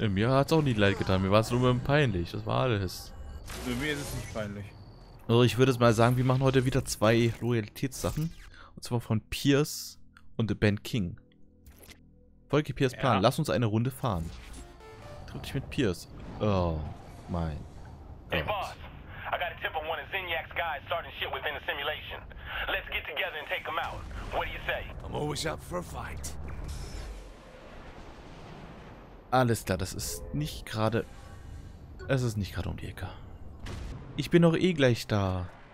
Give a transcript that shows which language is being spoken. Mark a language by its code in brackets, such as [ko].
[de] Ja, mir hat's auch nicht leid getan, mir war es nur mit dem peinlich, das war alles. Für mich ist es nicht peinlich. Also ich würde es mal sagen, wir machen heute wieder zwei Loyalitätssachen. Und zwar von Pierce und Ben King. Folge Pierce Plan, lass uns eine Runde fahren. Triff dich mit Pierce. Oh, mein Gott. [en] Hey Boss, I got a tip on one of Zinyak's guys starting shit within the simulation. Let's get together and take him out. What do you say? I'm always up for a fight. [de] Alles klar, das ist nicht gerade... Es ist nicht gerade um die Ecke. Ich bin doch eh gleich da.